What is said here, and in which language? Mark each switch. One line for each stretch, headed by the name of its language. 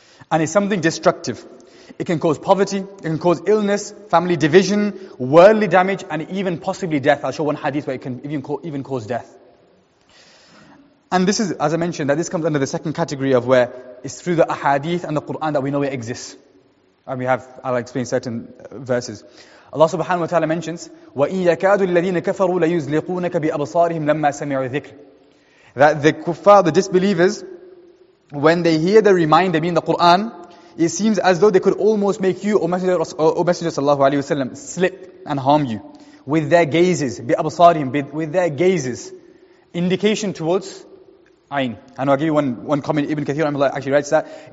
English: And it's something destructive. It can cause poverty, it can cause illness, family division, worldly damage, and even possibly death. I'll show one hadith where it can even cause death. And this is, as I mentioned, that this comes under the second category of where it's through the ahadith and the Qur'an that we know it exists. And I'll explain certain verses.
Arabic: Allah subhanahu wa ta'ala mentions, وَإِن يَكَادُ الَّذِينَ كَفَرُوا لَيُزْلِقُونَكَ بِأَبْصَارِهِمْ لَمَّا سَمِعُوا الذِّكْرِ.
English: That the kuffar, the disbelievers, when they hear the reminder, meaning the Qur'an, it seems as though they could almost make you, O Messenger sallallahu alayhi wa sallam, slip and harm you with their gazes, بِأَبْصَارِهِمْ, with their gazes. Indication towards Ayn. And I'll give you one comment, Ibn Kathir actually writes that.